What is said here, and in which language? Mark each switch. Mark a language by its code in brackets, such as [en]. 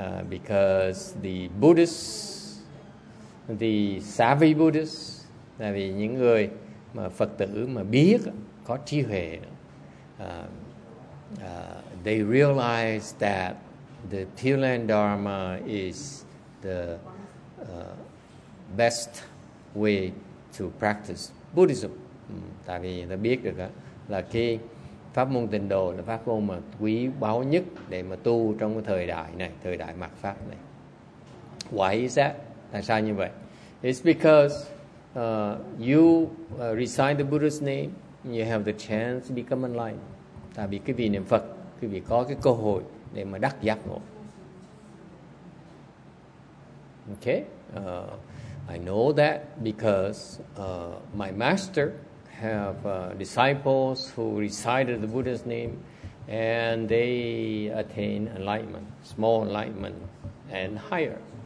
[en] Because the Buddhists, the savvy Buddhists, [vi] là vì những người mà Phật tử mà biết, có trí huệ, [en] they realize that the Pure Land Dharma is the best way to practice Buddhism. [vi] Tại vì người ta biết được là cái pháp môn tịnh độ là pháp môn mà quý báu nhất để mà tu trong cái thời đại này, thời đại mạt pháp này. [en] Why is that? [vi] Tại sao như vậy? [en] It's because you recite the Buddha's name, you have the chance to become enlightened. [vi] Tại vì cái vị niệm Phật, quý vị có cái cơ hội để mà đắc giác ngộ. [en] Okay, I know that because my master have disciples who recited the Buddha's name and they attain enlightenment, small enlightenment and higher.